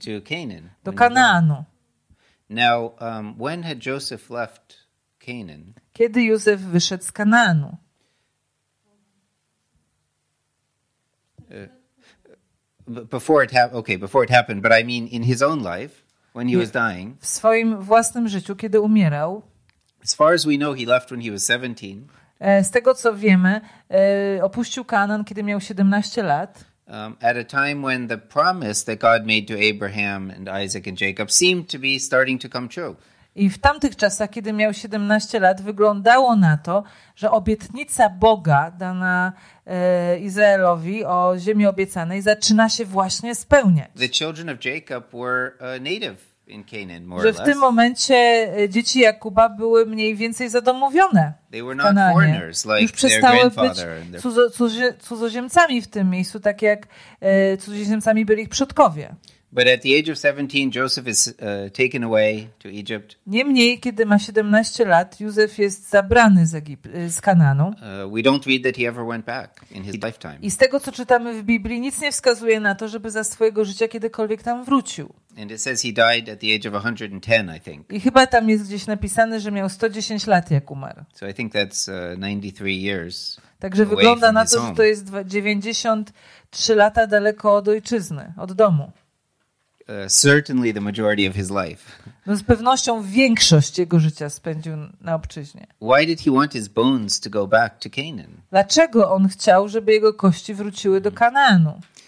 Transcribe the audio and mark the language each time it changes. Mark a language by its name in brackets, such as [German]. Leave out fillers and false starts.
[English] To Canaan. [Polish] Do Kanaanu. [English] Now, when had Joseph left Canaan? [Polish] Kiedy Józef wyszedł z Kanaanu? [English] Before it happened, but I mean in his own life. When he was dying. [Polish] W swoim własnym życiu, kiedy umierał. [English] As far as we know, he left when he was 17. [Polish] Z tego co wiemy, opuścił Kanaan, kiedy miał 17 lat. [English] At a time when the promise that God made to Abraham and Isaac and Jacob seemed to be starting to come true. [Polish] I w tamtych czasach, kiedy miał 17 lat, wyglądało na to, że obietnica Boga dana Izraelowi o ziemi obiecanej zaczyna się właśnie spełniać. [English] The children of Jacob were native in Canaan, more or less. [Polish] Że w tym momencie dzieci Jakuba były mniej więcej zadomowione. [English] They were not foreigners, like [Polish] już przestały być cudzoziemcami w tym miejscu, tak jak cudzoziemcami byli ich przodkowie. [English] But at the age of 17, Joseph is taken away to Egypt. [Polish] Niemniej, kiedy ma 17 lat, Józef jest zabrany z Kanaanu. [English] We don't read that he ever went back in his lifetime. [Polish] I z tego, co czytamy w Biblii, nic nie wskazuje na to, żeby za swojego życia kiedykolwiek tam wrócił. [English] And it says he died at the age of 110, I think. [Polish] I chyba tam jest gdzieś napisane, że miał 110 lat, jak umarł. [English] So I think that's 93 years. [Polish] Także wygląda na to, że to jest 93 lata daleko od ojczyzny, od domu. [English] Certainly the majority of his life. [Polish] No, z pewnością większość jego życia spędził na obczyźnie. [English] Why did he want his bones to go back to Canaan? [Polish] Dlaczego on chciał, żeby jego kości wróciły do Kanaanu?